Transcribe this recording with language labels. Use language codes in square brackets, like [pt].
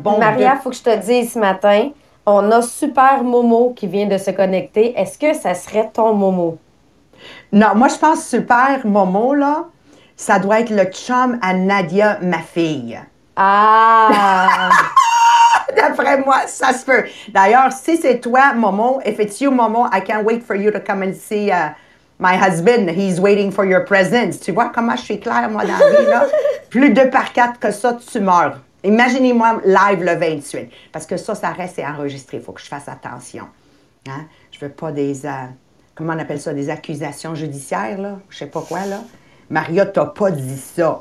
[fr] Maria, faut que je te dise ce matin, on a super Momo qui vient de se connecter. Est-ce que ça serait ton Momo? Non, moi, je pense super Momo, là, ça doit être le chum à Nadia, ma fille. Ah! D'après moi, ça se peut. D'ailleurs, si c'est toi, [en] Momo, if it's you, Momo, I can't wait for you to come and see my husband. He's waiting for your presence. [fr] Tu vois comment je suis claire, moi, dans la vie, là? Plus deux par quatre que ça, tu meurs. Imaginez-moi live le 28. Parce que ça, ça reste c'est enregistré. Il faut que je fasse attention. Hein? Je veux pas des... comment on appelle ça? Des accusations judiciaires, là? Je sais pas quoi, là. Maria, t'as pas dit ça.